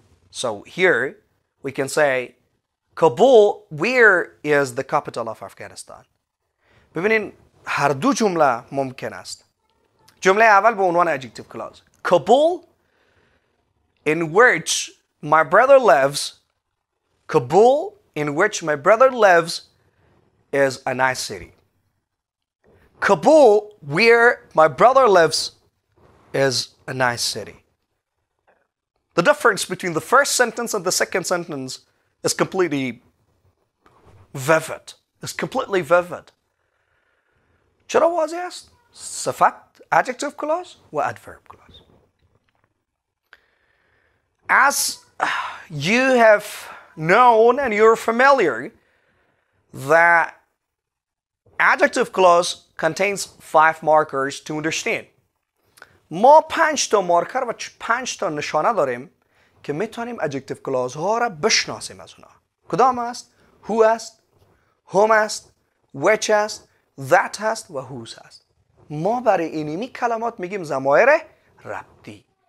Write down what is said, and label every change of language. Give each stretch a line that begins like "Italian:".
English: So here we can say, Kabul, where is the capital of Afghanistan?
Persian: ببینین هر دو جمله ممکن است. جمله اول به عنوان adjective clause.
English: Kabul, in which my brother lives, Kabul, in which my brother lives, is a nice city. Kabul, where my brother lives, is a nice city. The difference between the first sentence and the second sentence is completely vivid. It's completely vivid.
Persian: چرا واضح است؟
English: صفت adjective clause و adverb clause. As you have known and you're familiar that adjective clause contains 5 markers to understand.
Persian: ما 5 تا مارکر و 5 تا نشانه داریم که میتونیم adjective clause ها را بشناسیم از اونا. کدام است؟ Who است؟ Whom است؟ Which است؟ That است و whose است. ما برای اینمی کلمات میگیم ضمایر ربطی.